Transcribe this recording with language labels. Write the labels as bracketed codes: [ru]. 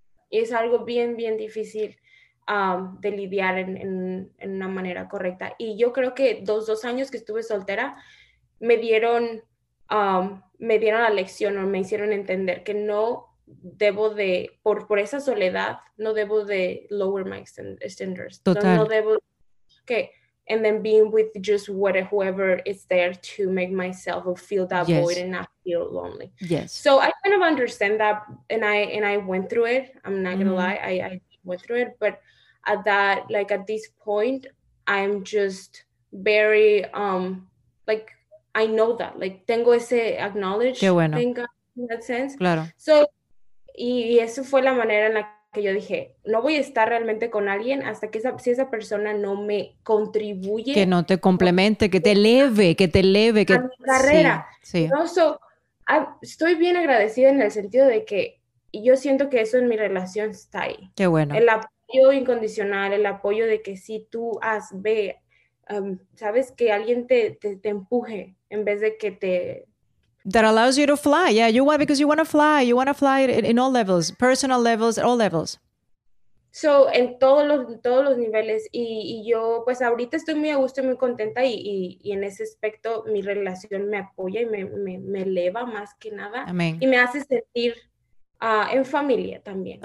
[es] Y es algo bien, bien difícil de lidiar en una manera correcta. Y yo creo que dos años que estuve soltera me dieron la lección, o me hicieron entender que no debo de, por esa soledad, no debo de [en] lower my standards. [es] Total. No debo, [en] okay, and then being with just whoever is there to make myself feel that, yes, void and not feel lonely. Yes. So I kind of understand that, and I went through it. I'm not gonna lie, I went through it, but at this point, I'm just very like, I know that, like, [es] tengo ese [en] acknowledge. [es] Qué bueno. [en] Thing in that sense. [es] Claro. So, y eso fue la manera en la que yo dije, no voy a estar realmente con alguien hasta que esa persona no me contribuye. Que no te complemente, que te eleve. A mi carrera. Sí, sí. No, so, estoy bien agradecida en el sentido de que yo siento que eso en mi relación está ahí. Qué bueno. El apoyo incondicional, el apoyo de que si tú has, ve, sabes, que alguien te empuje en vez de que te... [en] That allows you to fly. Yeah, you want, because you want to fly. You want to fly in all levels, personal levels, all levels. [es] So, en todos los niveles. Y yo, pues ahorita estoy muy a gusto y muy contenta. Y en ese aspecto, mi relación me apoya y me eleva más que nada. Amén. Y me hace sentir en familia también.